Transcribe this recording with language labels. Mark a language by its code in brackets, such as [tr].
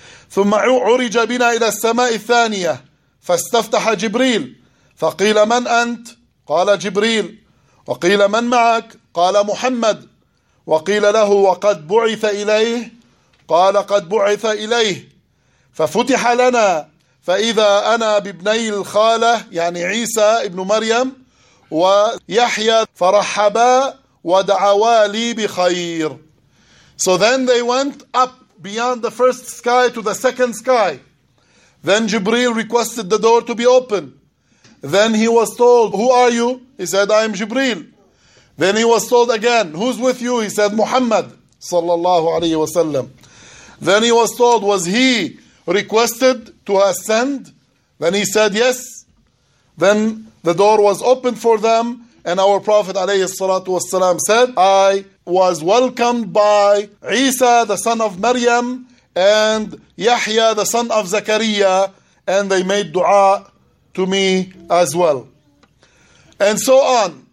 [ar] ثُمَّ عُرِجَ بِنَا إِلَى السَّمَاءِ الثَّانِيَةِ فَاسْتَفْتَحَ جِبْرِيلِ فَقِيلَ مَنْ أَنْتِ قَالَ جِبْرِيلِ وَقِيلَ مَنْ مَعَكَ قَالَ مُحَمَّدِ وَقِيلَ لَهُ وَقَدْ بُعِثَ إِلَيْهِ قَالَ قَدْ بُعِثَ إِلَيْهِ فَفُتِحَ لَنَا فإذا أنا بابني الخالة يعني عيسى ابن مريم ويحيى فرحبا ودعوا لي بخير. [en] So then they went up beyond the first sky to the second sky. Then Jibreel requested the door to be open. Then he was told, who are you? He said, I am Jibreel. Then he was told again, who's with you? He said, Muhammad [ar] صلى الله عليه وسلم. [en] Then he was told, was he requested to ascend? Then he said yes. Then the door was opened for them, and our Prophet alayhi salatu wasalam said, I was welcomed by Isa, the son of Maryam, and Yahya, the son of Zakaria, and they made dua to me as well. And so on.